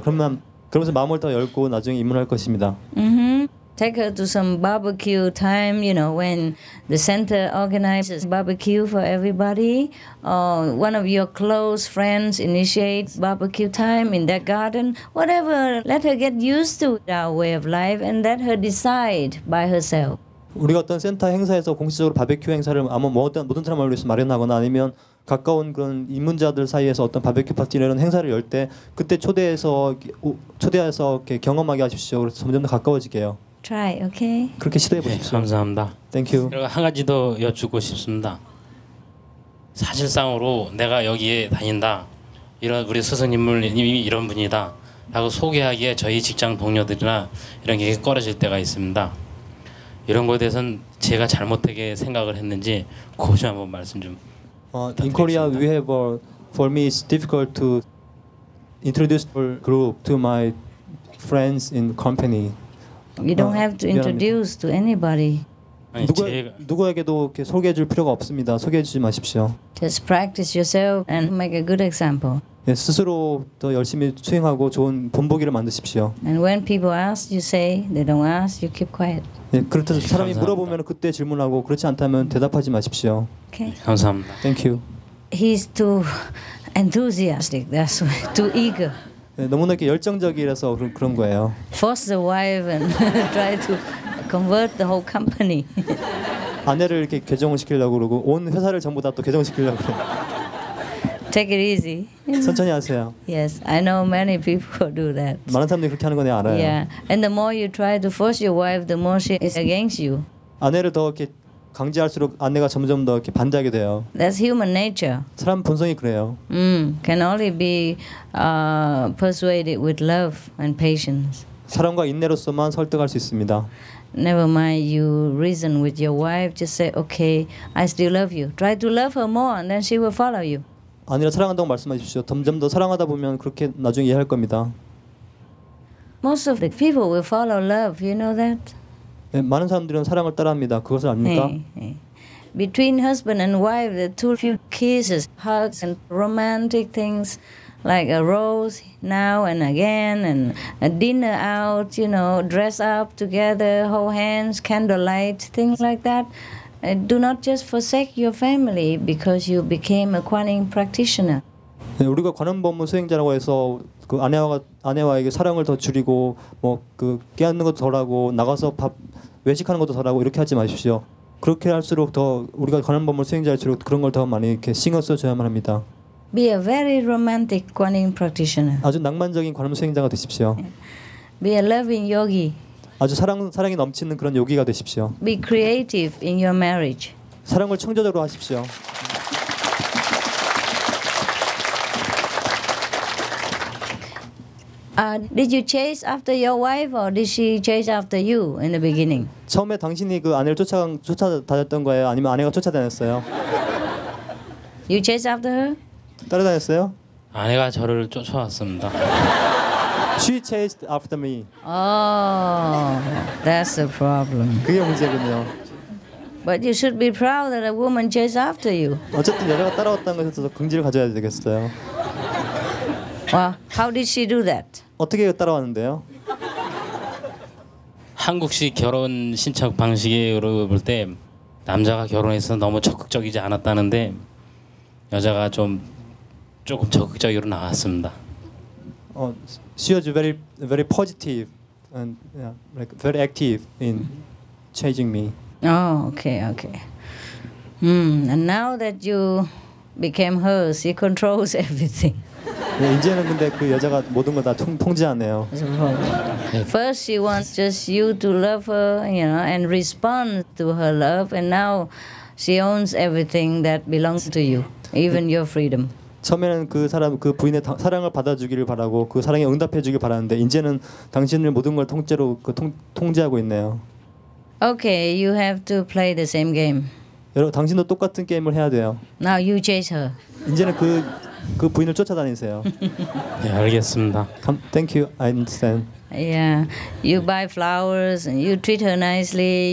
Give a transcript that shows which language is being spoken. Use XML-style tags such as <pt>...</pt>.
<ko>그러면서 마음을 더 열고 나중에 입문할 것입니다. Mm-hmm.</ko> <en>Take her to some barbecue time, you know, when the center organizes barbecue for everybody. Or one of your close friends initiates barbecue time in that garden. Whatever, let her get used to our way of life and let her decide by herself.</en> <ko>우리가 어떤 센터 행사에서 공식적으로 바베큐 행사를 아마 모든 사람을 위해서 마련하거나 아니면 가까운 그런 입문자들 사이에서 어떤 바베큐 파티 이런 행사를 열 때 그때 초대해서 이렇게 경험하게 하십시오. 그래서 점점 더 가까워지게요.</ko> <en>Try, okay.</en> <ko>그렇게 시도해 보십시오. 네, 감사합니다.</ko> <en>Thank you.</en> <ko>그리고 한 가지 더 여쭙고 싶습니다. 사실상으로 내가 여기에 다닌다 이런 우리 스승님이 이런 분이다라고 소개하기에 저희 직장 동료들이나 이런 게 꺼려질 때가 있습니다. 이런 거에 대해서는 제가 잘못되게 생각을 했는지 그거 좀 한번 말씀 좀.</ko> <en>In Korea, we have for me it's difficult to introduce our group to my friends in company. You don't have to introduce to anybody.</en> <ko>누구에게도 이렇게 소개해 줄 필요가 없습니다. 소개해 주지 마십시오.</ko> <en>Just practice yourself and make a good example.</en> <ko>네, 스스로 더 열심히 수행하고 좋은 본보기를 만드십시오.</ko> <en>And when people ask, you say. They don't ask, you keep quiet.</en> <ko>네, 그렇다고 사람이 감사합니다. 물어보면 그때 질문하고 그렇지 않다면 대답하지 마십시오.</ko> <en>Okay.</en> <ko>감사합니다.</ko> <en>Thank you. He's too enthusiastic. That's why. Too eager.</en> <ko>네, 너무나 이렇게 열정적이라서 그런 거예요.</ko> <en>Force the wife and try to convert the whole company.</en> <ko>아내를 이렇게 개종을 시키려고 그러고 온 회사를 전부 다 또 개종시키려고 그래요.</ko> <en>take it easy.</en> <ko>천천히 하세요.</ko> <en>Yes, I know many people do that.</en> <ko>많은 사람들이 그렇게 하는 거 내가 알아요.</ko> <en>Yeah, and the more you try to force your wife, the more she is against you.</en> <ko>아내를 더 이렇게 강제할수록 아내가 점점 더 이렇게 반대하게 돼요.</ko> <en>That's human nature.</en> <ko>사람 본성이 그래요.</ko> <en>Can only be persuaded with love and patience.</en> <ko>사랑과 인내로서만 설득할 수 있습니다.</ko> <en>Never mind, you reason with your wife. Just say, okay, I still love you. Try to love her more, and then she will follow you.</en> <ko>아내를 사랑한다고 말씀하십시오. 점점 더 사랑하다 보면 그렇게 나중에 이해할 겁니다.</ko> <en>Most of the people will follow love. You know that?</en> <ko>네, 많은 사람들은 사랑을 따라합니다. 그것을 압니까?</ko> <en>Between husband and wife, the two few kisses, hugs, and romantic things. Like a rose now and again, and a dinner out, you know, dress up together, hold hands, candlelight, things like that. Do not just forsake your family because you became a Kuan Yin practitioner.</en> <ko>네, 우리가 관음 법문 수행자라고 해서 그 아내와에게 사랑을 더 줄이고 뭐 그 깨앉는 것도 덜하고 나가서 밥 외식하는 것도 덜하고 이렇게 하지 마십시오. 그렇게 할수록 더 우리가 관음 법문 수행자일수록 그런 걸 더 많이 이렇게 신경 써줘야만 합니다.</ko> <en>Be a very romantic Kuan Yin practitioner.</en> <ko>아주 낭만적인 관음 수행자가 되십시오.</ko> <en>Be a loving yogi.</en> <ko>아주 사랑이 넘치는 그런 요기가 되십시오.</ko> <en>Be creative in your marriage.</en> <ko>사랑을 창조적으로 하십시오.</ko> <en>Did you chase after your wife or did she chase after you in the beginning?</en> <ko>처음에 당신이 그 아내를 쫓아다녔던 거예요? 아니면 아내가 쫓아다녔어요?</ko> <en>You chase after her?</en> <ko>따라다녔어요? 아내가 저를 쫓아왔습니다.</ko> <en>She chased after me. Oh, that's a problem.</en> <ko>그게 문제군요.</ko> <en>But you should be proud that a woman chased after you.</en> <ko>어쨌든 여자가 따라왔다는 것에서 긍지를 가져야 되겠어요.</ko> <en>Well, how did she do that?</en> <ko>어떻게 따라왔는데요? 한국식 결혼 신청 방식으로 볼 때 남자가 결혼해서 너무 적극적이지 않았다는데 여자가 좀 조금 적극적으로 나왔습니다.</ko> <en>She was very, very positive and yeah, like very active in changing me. Oh, okay, okay. And now that you became hers, he controls everything.</en> <ko>네, 이제는 근데 그 여자가 모든 걸 다 통제하네요.</ko> <en>First, she wants just you to love her, you know, and respond to her love. And now, she owns everything that belongs to you, even your freedom.</en> <ko>처음에는 그 사람 그 부인의 사랑을 받아주기를 바라고 그 사랑에 응답해주길 바랐는데 이제는 당신을 모든 걸 통째로 통제하고 있네요.</ko> <en>Okay, you have to play the same game.</en> <ko>여러분 당신도 똑같은 게임을 해야 돼요.</ko> <en>Now you chase her.</en> <ko>이제는 그 부인을 쫓아다니세요. 네, 알겠습니다.</ko> <en>Thank you. I understand. Yeah, you buy flowers and you treat her nicely.</en>